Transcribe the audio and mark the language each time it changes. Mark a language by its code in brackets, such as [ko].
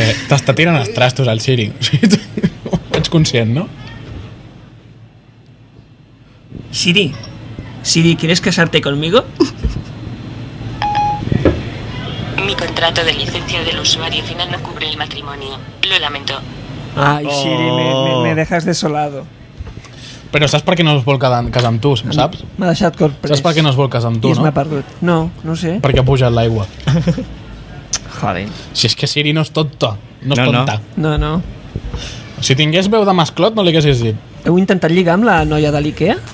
[ca] T'està tirant els trastos al Siri. Ets conscient, no? [es] Siri, Siri, ¿quieres casarte conmigo? Mi contrato de licencia del usuario final no cubre el matrimonio. Lo lamento. Ai, Siri, me dejas desolado. [ca] Però saps per què no es vol casar amb tu, saps? M'ha deixat corprès. Saps per què no es vol casar amb tu, no? I m'ha perdut. No, no sé. Perquè ha pujat l'aigua. [es] Joder. [ca] Si és que Siri no és tonta. No és tonta. No, no. Si tingués veu de masclot, no li haguessis dit. Heu intentat lligar amb la noia de l'IKEA?